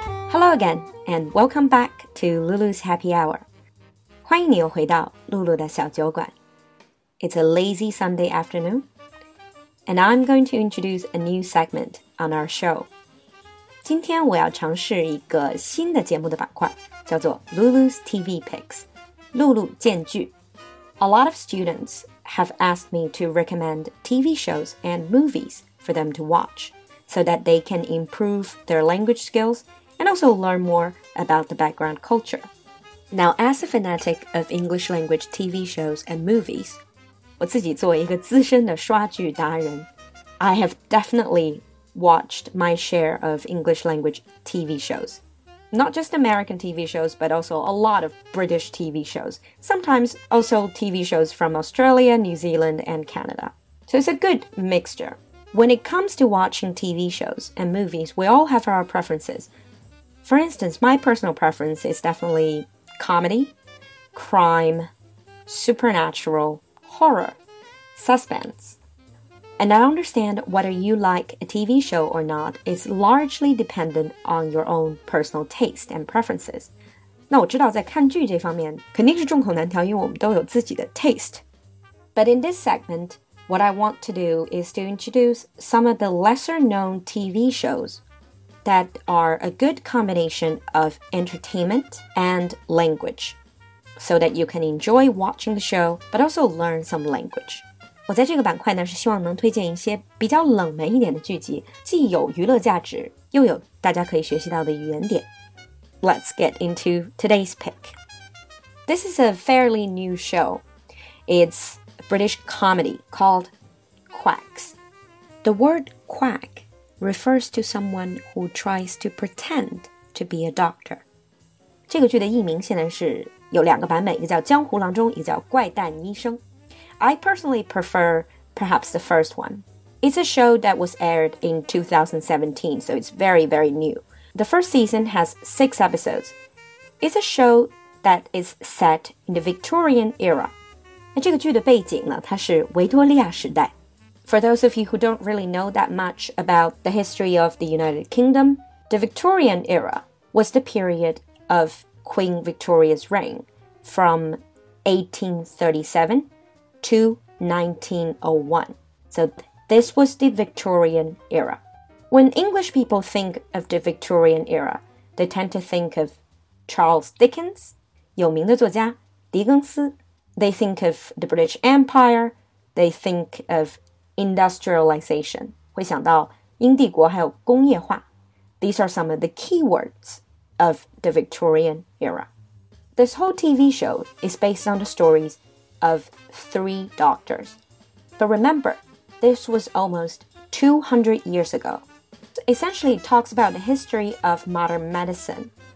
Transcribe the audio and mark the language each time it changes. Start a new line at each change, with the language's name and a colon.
English: Hello again, and welcome back to Lulu's Happy Hour.
Chinese: 欢迎你又回到露露的小酒馆。
English: It's a lazy Sunday afternoon, and I'm going to introduce a new segment on our show.
Chinese: 今天我要尝试一个新的节目的板块，叫做 Lulu's TV Picks, 露露荐剧。
English: A lot of students have asked me to recommend TV shows and movies for them to watch, so that they can improve their language skills and also learn more about the background culture. Now, as a fanatic of English language TV shows and movies,
Chinese: 我自己作为一个资深的刷剧达人
English: I have definitely watched my share of English language TV shows. Not just American TV shows, but also a lot of British TV shows. Sometimes also TV shows from Australia, New Zealand, and Canada. So it's a good mixture. When it comes to watching TV shows and movies, we all have our preferences. For instance, my personal preference is definitely comedy, crime, supernatural, horror, suspense. And I understand whether you like a TV show or not is largely dependent on your own personal taste and preferences.
Chinese: 那我知道在看剧这方面肯定是众口难调，因为我们都有自己的 taste.
English: But in this segment, what I want to do is to introduce some of the lesser known TV showsthat are a good combination of entertainment and language, so that you can enjoy watching the show, but also learn some language.
Chinese: 我在这个板块呢，是希望能推荐一些比较冷门一点的剧集，既有娱乐价值，又有大家可以学习到的语言点。
English: Let's get into today's pick. This is a fairly new show. It's a British comedy called Quacks. The word quack,refers to someone who tries to pretend to be a doctor.
Chinese: 这个剧的译名现在是有两个版本，一个叫江湖郎中，一个叫怪诞医生。
English: I personally prefer perhaps the first one. It's a show that was aired in 2017, so it's very, very new. The first season has 6 episodes. It's a show that is set in the Victorian era.
Chinese: 那这个剧的背景呢，它是维多利亚时代。
English: For those of you who don't really know that much about the history of the United Kingdom, the Victorian era was the period of Queen Victoria's reign from 1837 to 1901. So this was the Victorian era. When English people think of the Victorian era, they tend to think of Charles Dickens,
Chinese: 有名的作家狄更斯。
English: They think of the British Empire, they think ofindustrialization,
Chinese: 会想到英帝国还有工业化。
English: These are some of the keywords of the Victorian era. This whole TV show is based on the stories of 3 doctors. But remember, this was almost 200 years ago. Essentially, it talks about the history of modern medicine.